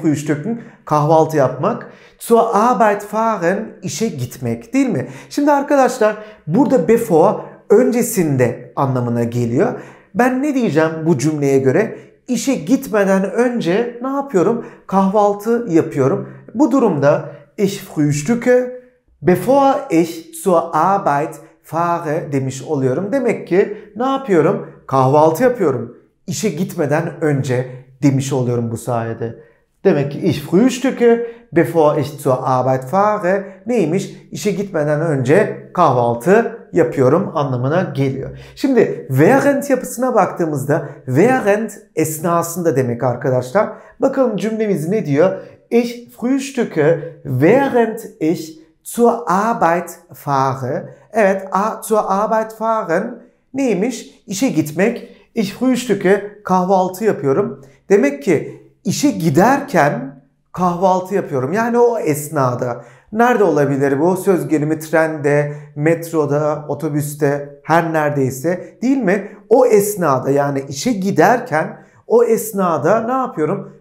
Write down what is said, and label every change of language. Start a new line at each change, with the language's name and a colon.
German: Frühstücken,
Turkish: kahvaltı yapmak.
German: Zur Arbeit fahren,
Turkish: işe gitmek, değil mi? Şimdi arkadaşlar, burada bevor öncesinde anlamına geliyor. Ben ne diyeceğim bu cümleye göre? İşe gitmeden önce ne yapıyorum? Kahvaltı yapıyorum. Bu durumda
German: ich frühstücke bevor ich zur Arbeit fahre
Turkish: demiş oluyorum. Demek ki ne yapıyorum? Kahvaltı yapıyorum. İşe gitmeden önce demiş oluyorum bu sayede. Demek ki
German: ich frühstücke bevor ich zur Arbeit fahre
Turkish: neymiş? İşe gitmeden önce kahvaltı yapıyorum anlamına geliyor. Şimdi während yapısına baktığımızda während esnasında demek arkadaşlar. Bakalım cümlemiz ne diyor?
German: Ich frühstücke während ich zur Arbeit fahre.
Turkish: Evet,
German: zur Arbeit fahren
Turkish: neymiş? İşe gitmek.
German: Ich frühstücke,
Turkish: kahvaltı yapıyorum. Demek ki işe giderken kahvaltı yapıyorum. Yani o esnada. Nerede olabilir bu? Söz gelimi trende, metroda, otobüste, her neredeyse, değil mi? O esnada, yani işe giderken o esnada ne yapıyorum?